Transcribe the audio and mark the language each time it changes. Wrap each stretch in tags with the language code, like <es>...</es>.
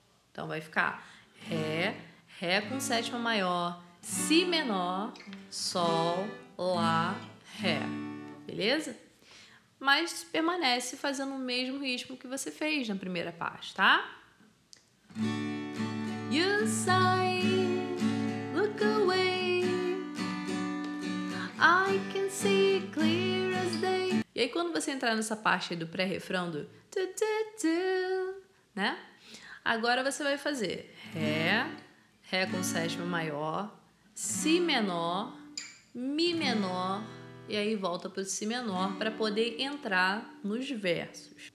<pt>Então vai ficar Ré, Ré com sétima maior, Si menor, Sol, Lá, Ré. Beleza? Mas permanece fazendo o mesmo ritmo que você fez na primeira parte, tá?</pt> <en>You sigh, look away, I can see clear as day.</en> <pt>E aí quando você entrar nessa parte aí do pré-refrão do tu, tu, tu, né? Agora você vai fazer Ré, Ré com sétima maior, Si menor, Mi menor, e aí volta para o Si menor para poder entrar nos versos.</pt>